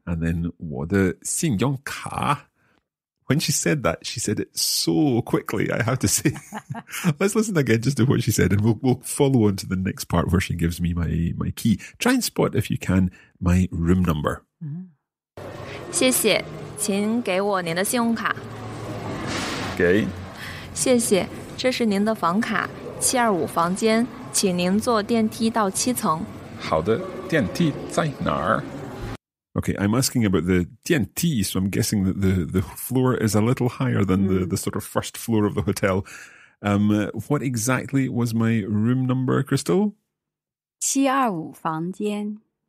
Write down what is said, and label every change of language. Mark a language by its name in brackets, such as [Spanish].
[English] And then [Chinese] 我的信用卡。 [English] When she said it so quickly, I have to say. Let's listen again just to what she said, and we'll follow on to the next part where she gives me my key. Try and spot, if you can, my room number. [Chinese] 谢谢,请给我您的信用卡。给。谢谢,这是您的房卡,725房间,请您坐电梯到七层。好的,电梯在哪儿? [English] Okay, I'm asking about the 电梯, so I'm guessing that the floor is a little higher than the sort of first floor of the hotel. What exactly was my room number, Crystal? [Chinese] 725房间.